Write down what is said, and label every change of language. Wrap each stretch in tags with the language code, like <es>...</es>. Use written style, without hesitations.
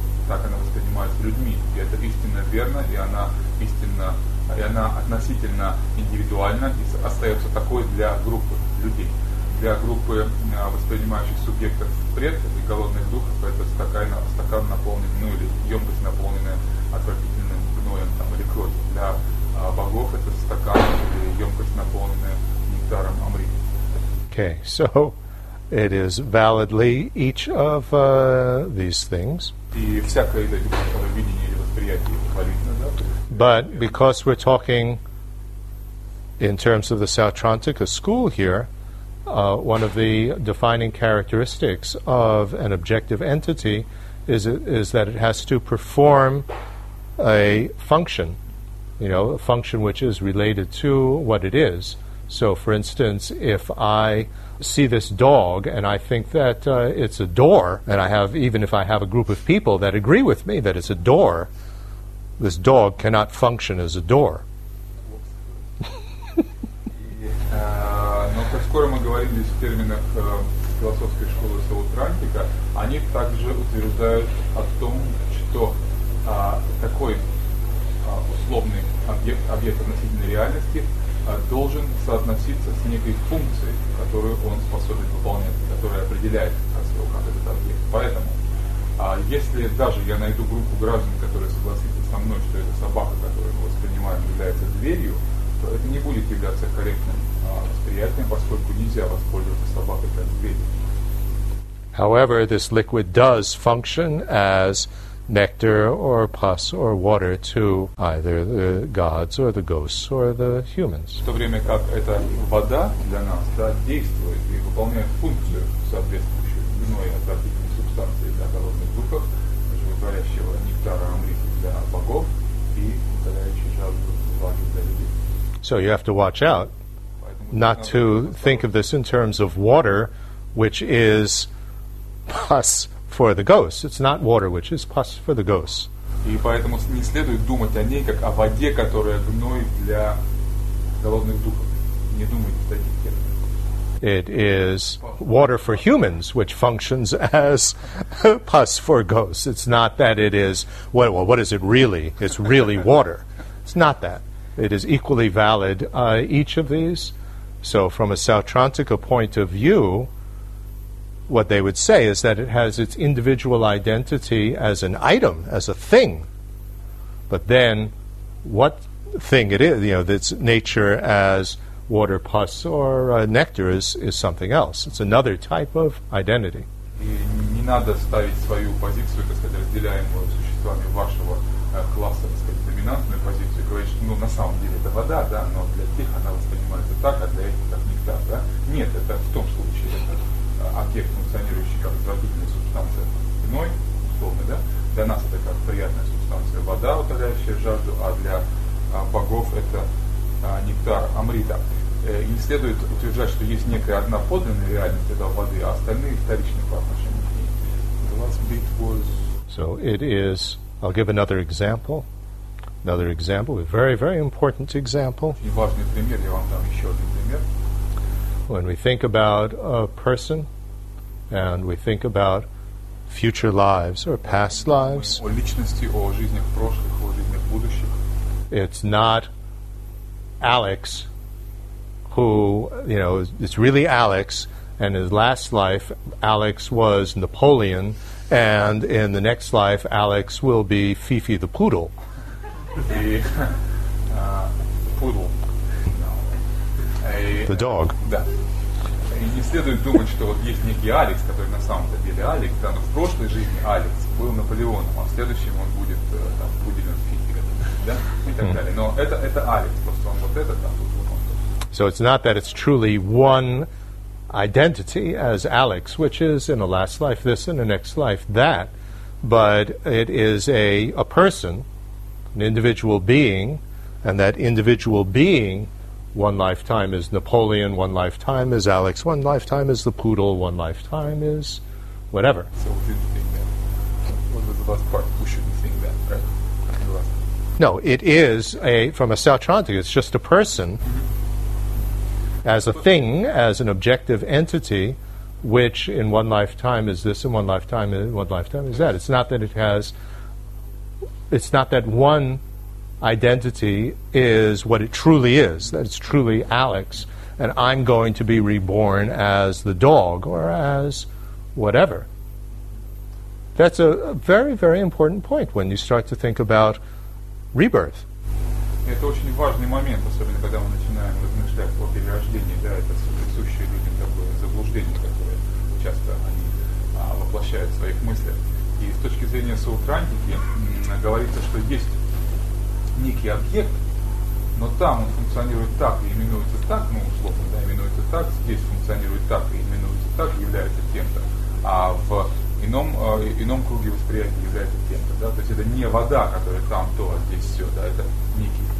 <ru>Так она воспринимается людьми. И это истинно верно, и она истинно и она относительно индивидуальна и остается такой для группы людей. Для группы воспринимающих субъектов предков и голодных духов это стакан наполнен, ну или емкость, наполненная отвратительным гноем там, или кровью. Для богов это стакан или емкость, наполненная нектаром амриты.</ru> <en>Okay, so it is validly each of these things.</en> <ru>И всякое из этих видений или восприятий валидно, да?</ru> <en>But because we're talking in terms of the Sautrantika school here, one of the defining characteristics of an objective entity is that it has to perform a function, you know, a function which is related to what it is. So, for instance, if I see this dog and I think that it's a door, and I have, even if I have a group of people that agree with me that it's a door, this dog cannot function as a door.</en> <ru>Но поскольку мы говорим здесь в терминах философской школы Саутрантика, они также утверждают о том, что такой условный объект относительно реальности должен соотноситься с некой функцией, которую он способен выполнять, которая определяет как этот объект. Поэтому, если даже я найду группу граждан, которые согласятся со мной, что эта собака, которую мы воспринимаем, является дверью, то это не будет являться корректным восприятием, поскольку нельзя воспользоваться собакой как дверью.</ru> <en>However, this liquid does function as nectar or pus or water to either the gods or the ghosts or the humans.</en> <ru>В то время как эта вода для нас, да, действует и выполняет функцию соответствующую иной отвратительной субстанции для голодных духов, животворящего нектара амрита для богов и удаляющей жажду влаги для людей.</ru> <en>So you have to watch out not to think of this in terms of water, which is pus for the ghosts. It's not water, which is pus for the ghosts.</en> <ru>И поэтому не следует думать о ней как о воде, которая гной для голодных духов. Не думайте в таких терминах.</ru> <en>It is water for humans, which functions as pus for ghosts. It's not that it is, well, what is it really? It's really water. It's not that. It is equally valid, each of these. So from a Sautrantika point of view, what they would say is that it has its individual identity as an item, as a thing. But then, what thing it is, you know, its nature as water, pus, or nectar is something else. It's another type of identity.</en> <ru>И не надо ставить свою позицию, так сказать, разделяемую существами вашего класса, так сказать, доминантную позицию, говорить, что, ну, на самом деле это вода, да, но для тех она воспринимается так, а для этих как нектар, да? Нет, это в том случае, это объект, функционирующий как отвратительная субстанция иной, условно, да? Для нас это как приятная субстанция вода, утоляющая жажду, а для богов это нектар амрита. Не следует утверждать, что есть некая одна подлинная реальность этого воды, а остальные вторичные по отношению к ней.</ru> <en>The last bit was... So it is... I'll give another example. Another example, a very, very important example.</en> <ru>Очень важный пример, я вам дам еще один пример.</ru> <en>When we think about a person and we think about future lives or past lives,</en> <ru>о личности, о жизнях прошлых, о жизнях будущих,</ru> <en>it's not Alex who, you know, it's really Alex, and his last life Alex was Napoleon, and in the next life Alex will be Fifi the poodle. The dog.</en> <ru>Да. И не следует думать, что вот есть некий Алекс, который на самом-то деле Алекс, да, но в прошлой жизни Алекс был Наполеоном, а в следующем он будет там пуделем Фифи, да, и так далее. Но это Алекс, просто он вот этот, а тут вот он.</ru> <en>So it's not that it's truly one identity as Alex, which is in a last life this, in a next life that, but it is a person, an individual being, and that individual being, one lifetime is Napoleon, one lifetime is Alex, one lifetime is the poodle, one lifetime is whatever. So we didn't think that. What was the last part? We shouldn't think that, right? No, it is from a Sautrantika, it's just a person, as a thing, as an objective entity, which in one lifetime is this, and one lifetime is that. It's not that one identity is what it truly is, that it's truly Alex, and I'm going to be reborn as the dog or as whatever. That's a very, very important point when you start to think about rebirth.</en> <ru>Это очень важный момент, особенно когда мы начинаем размышлять о перерождении, да, это присущее людям такое заблуждение, которое часто они воплощают в своих мыслях. И с точки зрения Саутрантики говорится, что есть некий объект, но там он функционирует так и именуется так, ну, условно, да, именуется так, здесь функционирует так и именуется так, является тем-то, а в ином круге восприятия является тем-то, да, то есть это не вода, которая там то, а здесь все, да, это некий</ru>